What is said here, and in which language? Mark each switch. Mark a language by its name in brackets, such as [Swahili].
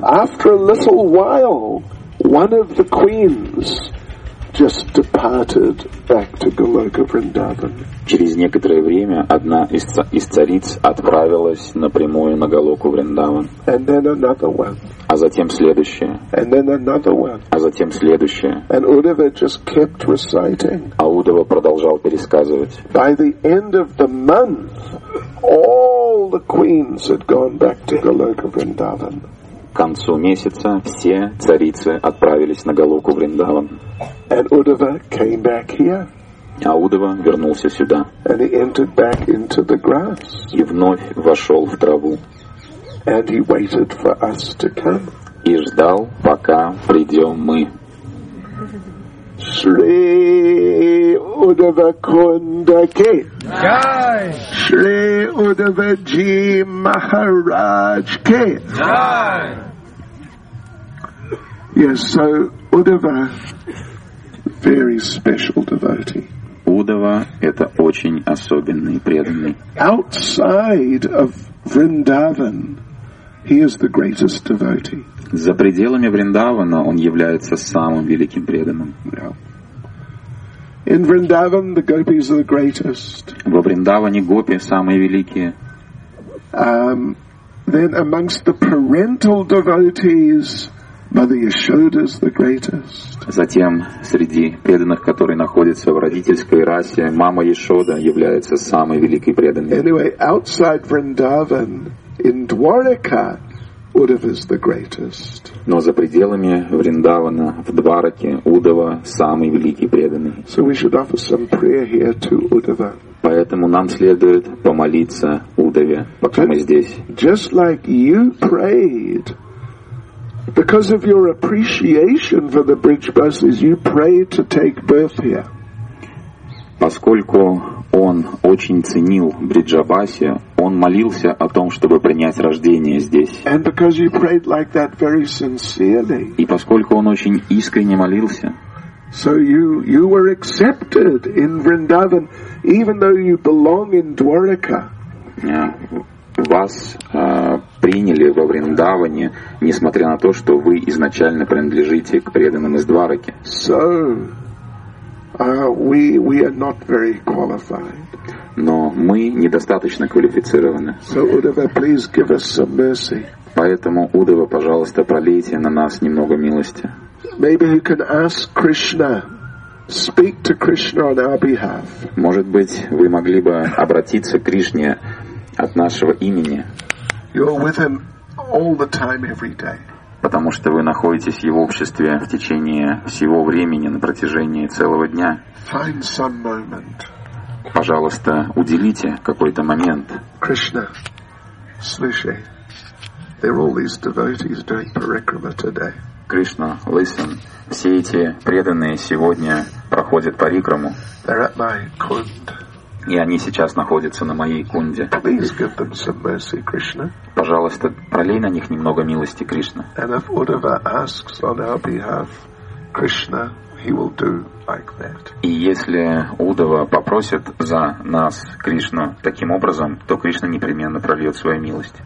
[English] After a little while, one of the queens just departed back to Goloka Vrindavan. [Russian] Через некоторое время одна из цариц отправилась напрямую на Голоку Вриндаван. [English] And then another one. [Russian] А затем следующая. [English] And then another one. [Russian] А затем следующая. [English] And Udhava just kept reciting. [Russian] А Удава продолжал пересказывать. [English] By the end of the month, all the queens had gone back to Goloka Vrindavan. [Russian] К концу месяца все царицы отправились на Голоку Вриндаван. [English] And Udhava came back here. [Russian] А Удава вернулся сюда. [English] And he entered back into the grass. [Russian] И вновь вошел в траву. [English] And he waited for us to come. [Russian] И ждал, пока придем мы. [Hindi] Shri Udhava Kundaki. Jai. Shri Udhava Ji Maharaj Ke. Jai. [English] Yes, so Udhava, very special devotee. [Russian] Удава — это очень особенный преданный. [English] Outside of Vrindavan, he is the greatest devotee. [Russian] За пределами Вриндавана он является самым великим преданным. [English] Yeah. In Vrindavan, the gopis are the greatest. [Russian] Во Вриндаване гопи самые великие. [English] Then amongst the parental devotees, Mother Yashoda is the greatest. [Russian] Затем среди преданных, которые находятся в родительской расе, мама Яшода является самой великой преданной. [English] Anyway, outside Vrindavan, in Dwarka, Udhava is the greatest. [Russian] Но за пределами Вриндавана, в Двараке, Удава самый великий преданный. [English] So we should offer some prayer here to Udhava. [Russian] Поэтому нам следует помолиться Удаве, пока мы здесь. [English] Just like you prayed. Because of your appreciation for the bridge buses, you prayed to take birth here. [Russian] Поскольку он очень ценил бриджабаси, он молился о том, чтобы принять рождение здесь. [English] And because you prayed like that very sincerely. [Russian] И поскольку он очень искренне молился. [English] So you were accepted in Vrindavan, even though you belong in Dwarka. [Russian] Вас приняли во Вриндаване, несмотря на то, что вы изначально принадлежите к преданным из Двараки. [English] So, We are not very qualified. [Russian] Но мы недостаточно квалифицированы. [English] So Uddhava, please give us some mercy. [Russian] Поэтому Уддхава, пожалуйста, пролейте на нас немного милости. [English] Maybe you can ask Krishna, speak to Krishna on our behalf. [Russian] Может быть, вы могли бы обратиться к Кришне от нашего имени. [English] You're with him all the time, every day. [Russian] Потому что вы находитесь в его обществе в течение всего времени, на протяжении целого дня. [English] Find some moment. [Russian] Пожалуйста, уделите какой-то момент. Krishna, слушай. [English] There are all these devotees doing parikrama today. Krishna, listen. [Russian] Все эти преданные сегодня проходят парикраму. [English] They're at my kund. [Russian] И они сейчас находятся на моей кунде. [English] Please give them some mercy, Krishna. [Russian] Пожалуйста, пролей на них немного милости, Кришна. [English] And if Uddhava asks on our behalf, Krishna, he will do like that. [Russian] И если Уддхава попросит за нас Кришну таким образом, то Кришна непременно прольет свою милость.